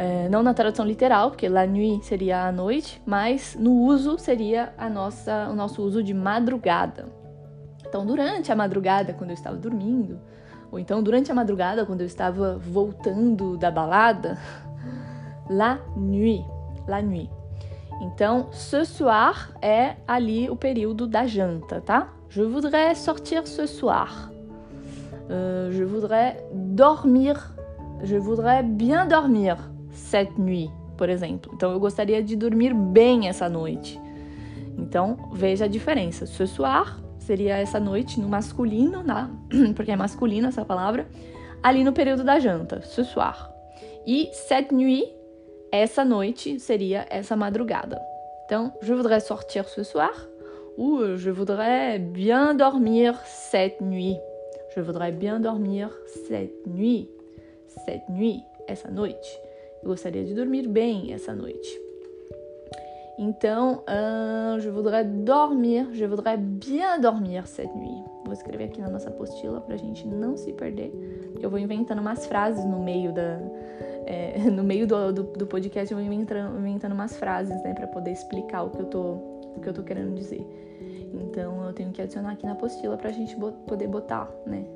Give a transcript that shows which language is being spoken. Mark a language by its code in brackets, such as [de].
[pt] Não na tradução literal, porque la nuit seria a noite, mas no uso seria o nosso uso de madrugada. Então, durante a madrugada, quando eu estava dormindo, ou então durante a madrugada, quando eu estava voltando da balada, la nuit, la nuit. Então, ce soir é ali o período da janta, tá? [fr] Je voudrais sortir ce soir. Je voudrais dormir Je voudrais bien dormir cette nuit, [pt] por exemplo. Então, eu gostaria de dormir bem essa noite. Então, veja a diferença. Ce soir seria essa noite no masculino, né? Porque é masculino essa palavra. Ali no período da janta, ce soir. E cette nuit, essa noite, seria essa madrugada. [fr] Então, je voudrais sortir ce soir. Ou je voudrais bien dormir cette nuit. Je voudrais bien dormir cette nuit. [pt] Cette nuit, essa noite. Eu gostaria de dormir bem essa noite. [fr] Então, je voudrais dormir. Je voudrais bien dormir cette nuit. [pt] Vou escrever aqui na nossa apostila pra gente não se perder. Eu vou inventando umas frases no meio da... no meio do podcast, eu vou inventando umas frases, né? Pra poder explicar o que eu tô querendo dizer. Então, eu tenho que adicionar aqui na apostila pra gente poder botar, né?